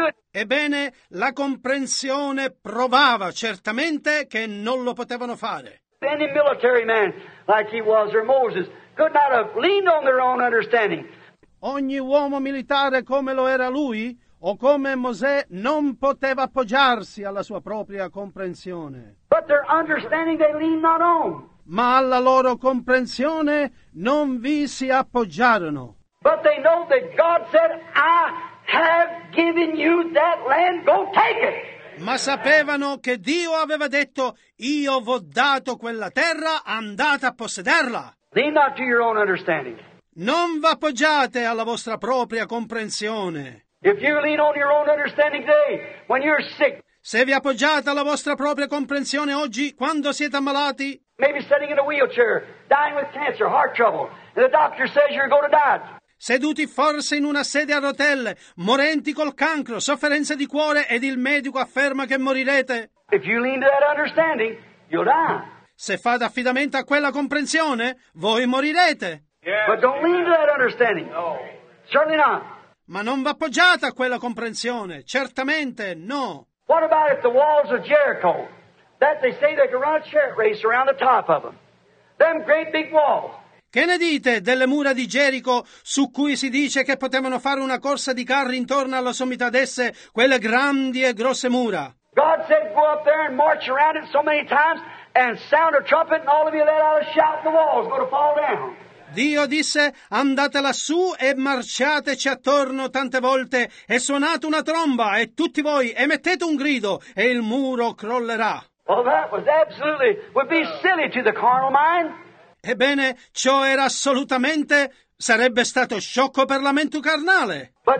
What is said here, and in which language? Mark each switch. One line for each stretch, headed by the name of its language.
Italian: Ebbene, la comprensione provava certamente che non lo potevano fare.
English: Any military man like he was or Moses could not have leaned on their own understanding.
Italian: Ogni uomo militare come lo era lui o come Mosè non poteva appoggiarsi alla sua propria comprensione.
English: But their understanding they leaned not on.
Italian: Ma alla loro comprensione non vi si appoggiarono.
English: But they know that God said, I have given you that land, go take it.
Italian: Ma sapevano che Dio aveva detto, io v'ho dato quella terra, andate a possederla.
English: Lean not to your own understanding.
Italian: Non vi appoggiate alla vostra propria comprensione.
English: If you lean on your own understanding today, when you're sick,
Italian: se vi appoggiate alla vostra propria comprensione oggi, quando siete ammalati,
English: maybe sitting in a wheelchair, dying with cancer, heart trouble, and the doctor says you're going to die.
Italian: Seduti forse in una sedia a rotelle, morenti col cancro, sofferenze di cuore ed il medico afferma che morirete.
English: If you lean to that understanding, you'll die.
Italian: Se fate affidamento a quella comprensione, voi morirete.
English: Yes. But don't lean to that understanding. No. Certainly not.
Italian: Ma non vi appoggiate a quella comprensione, certamente no.
English: What about if the walls of Jericho, that they say they can run a chariot race around the top of them, them great big walls?
Italian: Che ne dite delle mura di Gerico su cui si dice che potevano fare una corsa di carri intorno alla sommità d'esse, quelle grandi e grosse mura?
English: God said go up there and march around it so many times and sound a trumpet and all of you let out a shout and the walls going to fall down.
Italian: Dio disse andate lassù e marciateci attorno tante volte e suonate una tromba e tutti voi emettete un grido e il muro crollerà.
English: Well, that was absolutely would be silly to the carnal mind.
Italian: Ebbene, ciò era assolutamente, sarebbe stato sciocco per la mente carnale.